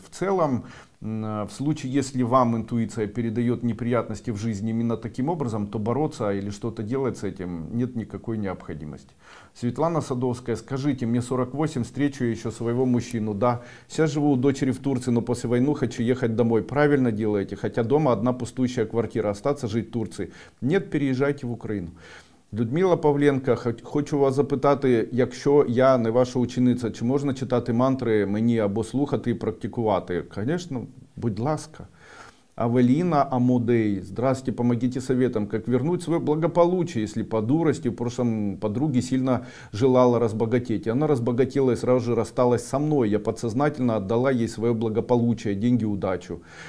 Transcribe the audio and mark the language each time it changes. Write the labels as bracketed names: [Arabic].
[Russian] В целом, в случае, если вам интуиция передает неприятности в жизни именно таким образом, то бороться или что-то делать с этим нет никакой необходимости. Светлана Садовская, скажите, мне 48, встречу я еще своего мужчину. Да, сейчас живу у дочери в Турции, но после войны хочу ехать домой. Правильно делаете, хотя дома одна пустующая квартира, остаться жить в Турции. Нет, переезжайте в Украину. [Ukrainian] Людмила Павленко, хочу вас запитати, якщо я не ваша учениця, чи можна читати мантри мені або слухати і практикувати? Звісно, будь ласка. [Russian] Авелина Амодей, здрасте, помогите советом, как вернуть свое благополучие, если по дурости в прошлом подруге сильно желала разбогатеть. Она разбогатела и сразу же рассталась со мной. Я подсознательно отдала ей свое благополучие, деньги, удачу.